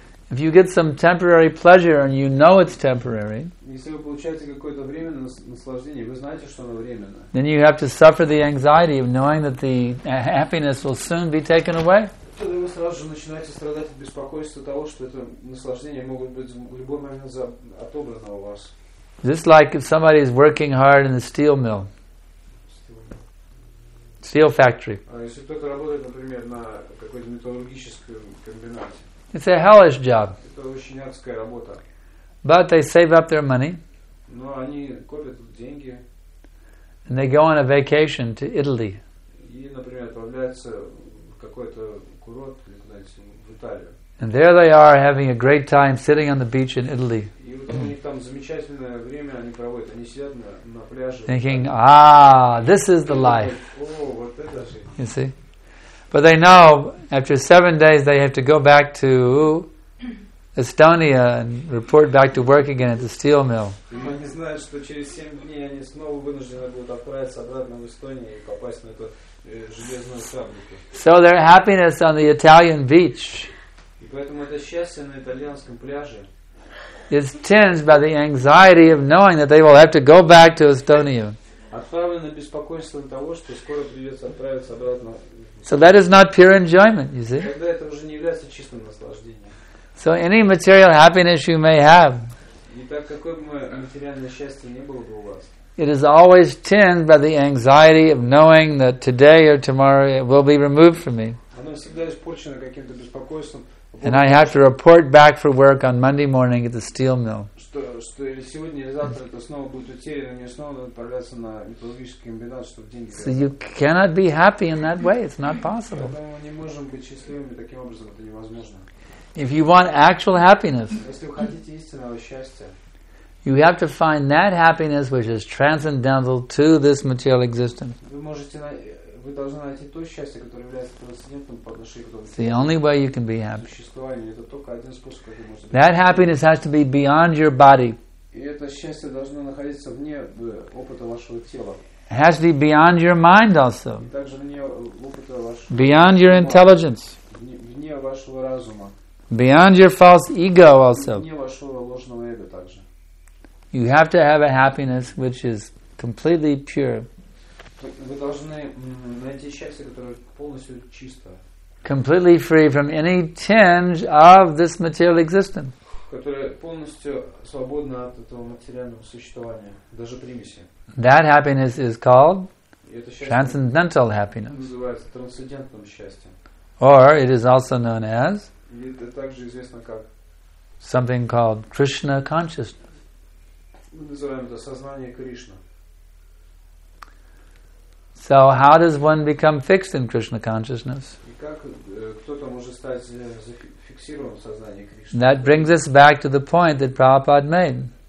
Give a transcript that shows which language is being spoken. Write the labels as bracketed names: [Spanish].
[English] If you get some temporary pleasure and you know it's temporary, then you have to suffer the anxiety of knowing that the happiness will soon be taken away. [Russian] Тогда вы сразу же начинаете страдать от беспокойства того, что это наслаждение могут быть в любой момент отобрано у вас. [English] Just like if somebody is working hard in the steel mill. steel factory. [Russian] Если кто-то работает, например, на какой-то металлургическом комбинате. [English] It's a hellish job. [Russian] Это очень адская работа. [English] But they save up their money. [Russian] Но они копят деньги. [English] And they go on a vacation to Italy. [Russian] И, например, отправляются в какой-то курорт, или, знаете, в Италию. [English] And there they are having a great time sitting on the beach in Italy. [Russian] И вот у них там замечательное время они проводят. Они сидят на пляже. [English] Thinking, ah, this is the life. [Russian] О, вот это жизнь. [English] You see? But they know after 7 days they have to go back to Estonia and report back to work again at the steel mill. [Russian] Они знают, что через 7 дней они снова вынуждены будут отправиться обратно в Эстонию и попасть на эту железную фабрику. [English] So their happiness on the Italian beach. [Russian] И поэтому это счастье на итальянском пляже. [English] Is tinged by the anxiety of knowing that they will have to go back to Estonia. [Russian] Отправлено беспокойством того, что скоро придется отправиться обратно. [English] So that is not pure enjoyment, you see. [Russian] Тогда это уже не является чистым наслаждением. [English] So any material happiness you may have, [Russian] итак, какое бы материальное счастье не было бы у вас, [English] it is always tinged by the anxiety of knowing that today or tomorrow it will be removed from me. [Russian] Оно всегда испорчено каким-то беспокойством. [English] And I have to report back for work on Monday morning at the steel mill. [Russian] Что или сегодня, или завтра это снова будет утеряно, мне снова надо отправляться на металлургический комбинат, чтобы деньги. [English] So you cannot be happy in that way. It's not possible. [Russian] Поэтому не можем быть счастливыми таким образом. Это невозможно. [English] If you want actual happiness, [Russian] если вы хотите истинного счастья, [English] you have to find that happiness which is transcendental to this material existence. [Russian] Вы должны найти то счастье, которое является трансцендентным по отношению к тому. [English] The only way you can be happy. [Russian] Существование — это только один способ, как вы можете быть. [English] That happiness has to be beyond your body. [Russian] И это счастье должно находиться вне опыта вашего тела. [English] It has to be beyond your mind also. [Russian] И также вне опыта вашего. [English] Beyond your intelligence. [Russian] Вне вашего разума. [English] Beyond your false ego also. [Russian] Вне вашего ложного эго также. [English] You have to have a happiness which is completely pure. [Russian] Вы должны найти счастье, которое полностью чисто. [English] Completely free from any tinge of this material existence. [Russian] Которое полностью свободно от этого материального существования, даже примеси. [English] That happiness is called transcendental happiness. [Russian] Называется трансцендентным счастьем. [English] Or it is also known as. [Russian] Это также известно как. [English] Something called Krishna consciousness. [Russian] Мы называем это сознание Кришна. [English] So how does one become fixed in Krishna consciousness? That brings us back to the point that Prabhupada made.